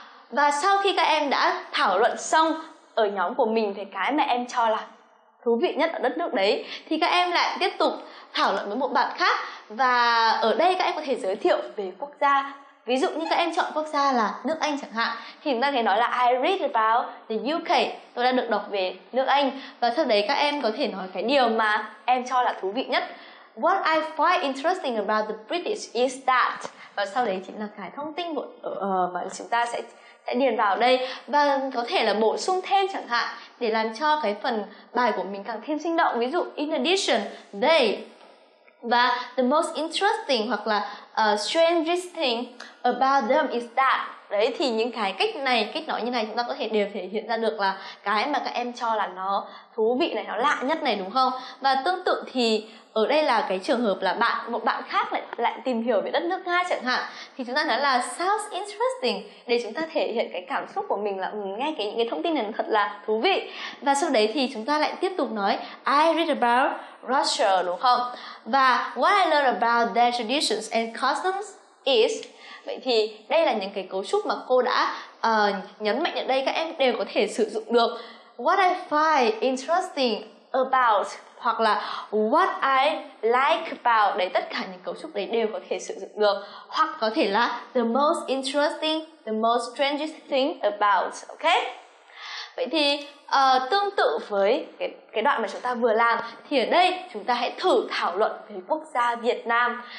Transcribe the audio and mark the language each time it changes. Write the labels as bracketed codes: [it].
[vi] Và sau khi các em đã thảo luận xong ở nhóm của mình về cái mà em cho là thú vị nhất ở đất nước đấy, thì các em lại tiếp tục thảo luận với một bạn khác. Và ở đây các em có thể giới thiệu về quốc gia. Ví dụ như các em chọn quốc gia là nước Anh chẳng hạn, thì chúng ta có thể nói là [en] I read about the UK. [vi] Tôi đã được đọc về nước Anh. Và sau đấy các em có thể nói cái điều mà em cho là thú vị nhất. [en] What I find interesting about the British is that. [vi] Và sau đấy chính là cái thông tin mà chúng ta sẽ điền vào đây. Và có thể là bổ sung thêm chẳng hạn, để làm cho cái phần bài của mình càng thêm sinh động. Ví dụ [en] in addition, they. Và the most interesting [vi] hoặc là [en] strangest thing about them is that. [vi] Đấy thì những cái cách này, cách nói như này chúng ta có thể đều thể hiện ra được là cái mà các em cho là nó thú vị này, nó lạ nhất này đúng không? Và tương tự thì ở đây là cái trường hợp là một bạn khác lại tìm hiểu về đất nước Nga chẳng hạn, thì chúng ta nói là [en] sounds interesting [vi] để chúng ta thể hiện cái cảm xúc của mình là nghe những cái thông tin này thật là thú vị. Và sau đấy thì chúng ta lại tiếp tục nói [en] I read about Russia [vi] đúng không? [en] Và what I learned about their traditions and customs is. [vi] Vậy thì đây là những cái cấu trúc mà cô đã nhấn mạnh ở đây, các em đều có thể sử dụng được. [en] What I find interesting about [vi] hoặc là [en] what I like about. [vi] Đấy, tất cả những cấu trúc đấy đều có thể sử dụng được. Hoặc có thể là [en] the most interesting, the most strangest thing about. [vi] Ok. Vậy thì tương tự với cái đoạn mà chúng ta vừa làm, thì ở đây chúng ta hãy thử thảo luận về quốc gia Việt Nam.